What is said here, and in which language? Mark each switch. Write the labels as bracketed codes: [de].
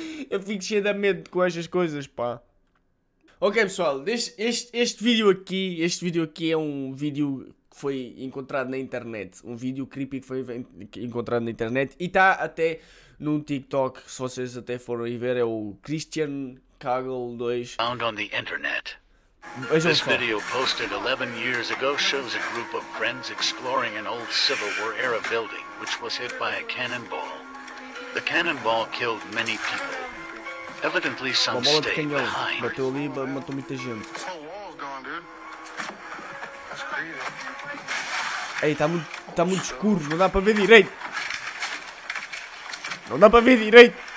[pt] Eu fico cheio de medo com estas coisas, pá. Ok, pessoal. Este vídeo aqui é um vídeo que foi encontrado na internet. Um vídeo creepy que foi encontrado na internet. E está até num TikTok, se vocês até forem ver, é o Christian Kagel 2. [en] Found on the internet. This video posted 11 years ago shows a group of friends exploring an old Civil War era building which was hit by a cannonball. The cannonball killed many people. Evidently some stayed behind. [pt] Bateu ali, matou muita gente. Ei, tá muito escuro, não dá para ver direito. Não dá para ver direito.